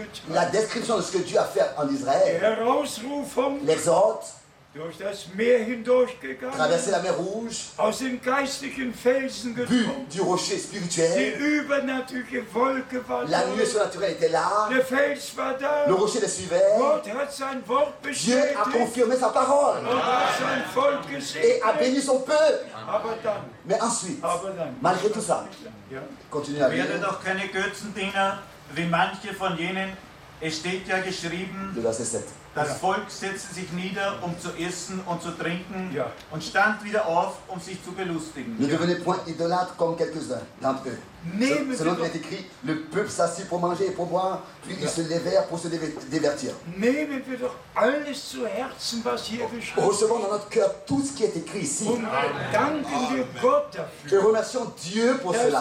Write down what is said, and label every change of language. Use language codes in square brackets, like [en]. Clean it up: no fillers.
[fr] La description de ce que Dieu a fait en Israël, l'exode, [de] durch das Meer hindurchgegangen, [fr] traverser la mer Rouge, [de] aus dem geistlichen Felsen getrunken, [fr] du rocher spirituel, [de] die übernatürliche Wolke war [fr] la nuit surnaturelle était là, [de] le Fels war da, [fr] le rocher le suivait, [de] Gott hat sein Wort bestätigt, [fr] Dieu a confirmé sa parole, [de] und hat sein Volk gesegnet, [fr] et a béni son peuple, [de] aber dann, [fr] mais ensuite, [de] aber dann, [fr] malgré tout ça, continuez à [de] lire, werdet auch keine Götzendiener, wie manche von jenen, es steht ja geschrieben, [fr] du verset 7, [de] Das Volk setzte sich nieder, um zu essen und zu trinken, und stand wieder auf, um sich zu belustigen. [fr] Ne devenez point idolâtres comme quelques-uns d'entre eux. Selon qu'il est écrit, le peuple s'assit pour manger et pour boire, puis ils se levèrent pour se divertir. [de] Nehmen wir doch alles zu Herzen, was hier geschrieben ist. [fr] Recevons dans notre cœur tout ce qui est écrit ici. [de] Danken wir Gott dafür. [fr] Je remercie Dieu pour cela.